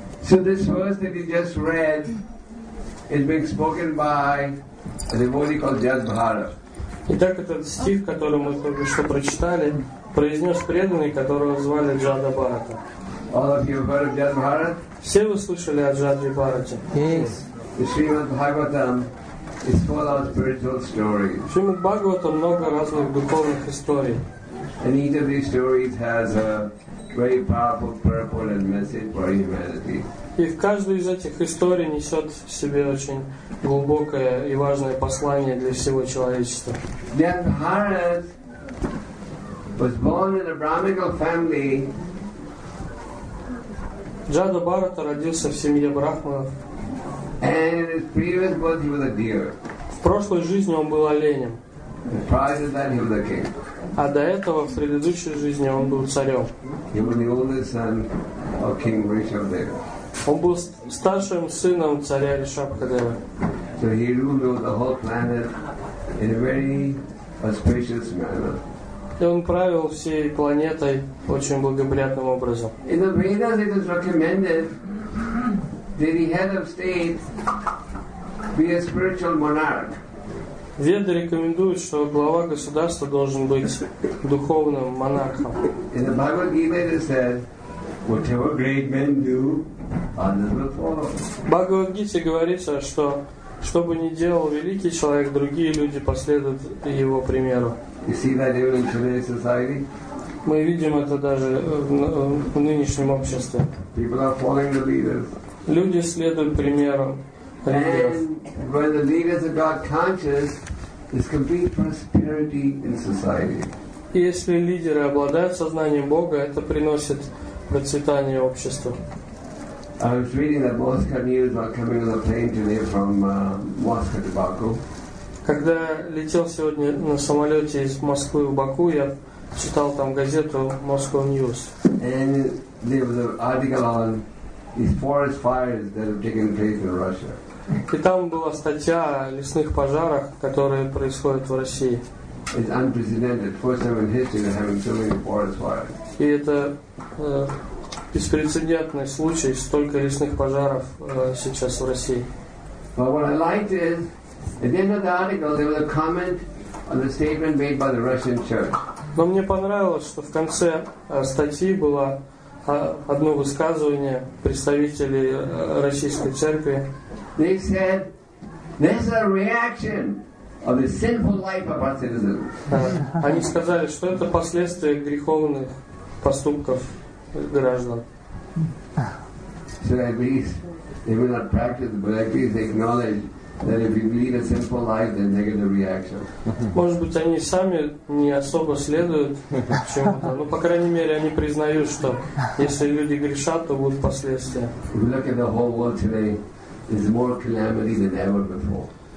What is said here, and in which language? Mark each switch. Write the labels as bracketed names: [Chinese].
[English] So this verse that he just read is being spoken by a devotee called Jadbhara. [Russian] Итак, этот стих, который мы только что прочитали, произнес преданный, которого звали Джада Бхарата. [English] All of you heard of Jada Bharat? [Russian] Все вы слышали о Джаде Бхарате? [English] Yes. The Srimad Bhagavatam is full of spiritual stories. [Russian] Srimad Bhagavatam много разных духовных историй. [English] And each of these stories has a very powerful purpose and message for humanity. [Russian] И в каждой из этих историй несет в себе очень глубокое и важное послание для всего человечества. [English] Jada Bharat was born in a Brahmical family. [Russian] Джада Бхарата родился в семье брахманов. [English] And in his previous birth he was a deer. [Russian] В прошлой жизни он был оленем. [English] And prior to that he was a king. [Russian] А до этого, в предыдущей жизни, он был царем. [English] He was the oldest son of King Rishabhadeva. [Russian] Он был старшим сыном царя Ришабхадева. [English] So he ruled over the whole planet in a very auspicious manner. [Russian] И он правил всей планетой очень благоприятным образом. [English] In the Vedas it is recommended that the head of state be a spiritual monarch. [Russian] Веды рекомендуют, что глава государства должен быть духовным монархом. [English] In the Bhagavad Gita it is said, whatever great men do, others will follow. [Russian] В Бхагавад Гите говорится, что что бы ни делал великий человек, другие люди последуют его примеру. [English] You see that even in today's society? [Russian] Мы видим это даже в нынешнем обществе. [English] People are following the leaders. [Russian] Люди следуют примеру. [English] And when the leaders are God conscious, there's complete prosperity in society. [Russian] Если лидеры обладают сознанием Бога, это приносит процветание обществу. [English] I was reading that Mosca News about coming on the plane today from Mosca to Baku. [Russian] Когда летел сегодня на самолете из Москвы в Баку, я читал там газету Moscow News. [English] And there was an article on these forest fires that have taken place in Russia. [Russian] И там была статья о лесных пожарах, которые происходят в России. [English] It's unprecedented. First time in history they're having so many forest fires. [Russian] И это беспрецедентный случай, столько лесных пожаров сейчас в России. [English] But what I liked is at the end of the article, there was a comment on the statement made by the Russian Church. [Russian] Но мне понравилось, что в конце статьи было одно высказывание представителей Российской Церкви. [English] They said, "There's a reaction of the sinful life of our citizens." [Russian] Они сказали, что это последствия греховных поступков граждан. [English] So at least they will not practice, but at least they acknowledge. That if you lead a simple life, then negative reaction. [Russian] Может быть, они сами не особо следуют чему-то. Но по крайней мере, они признают, что если люди грешат, то будут последствия. [English] If you look at the whole world today, there's more calamity than ever before.